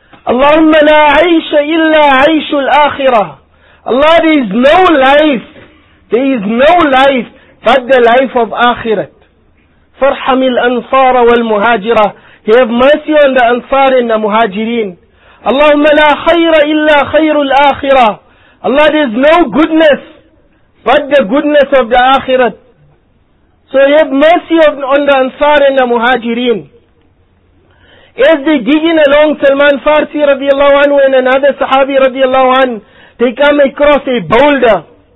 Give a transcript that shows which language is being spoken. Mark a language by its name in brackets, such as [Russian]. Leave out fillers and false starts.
[Arabic] Allahumma la aisha illa aishul akhirah. [English] Allah, there is no life. There is no life but the life of akhirah. [Arabic] فَرْحَمِ الْأَنْصَارَ وَالْمُهَاجِرَةِ [English] Have mercy on the Ansar and the Muhajirin. [Arabic] اللهم لا خير إلا خير الآخرة. [English] Allah, there is no goodness but the goodness of the Akhirat. So have mercy on the Ansar and the Muhajirin. As they digging along, Salman Farsi رضي الله عنه and another Sahabi رضي الله عنه, they come across a boulder.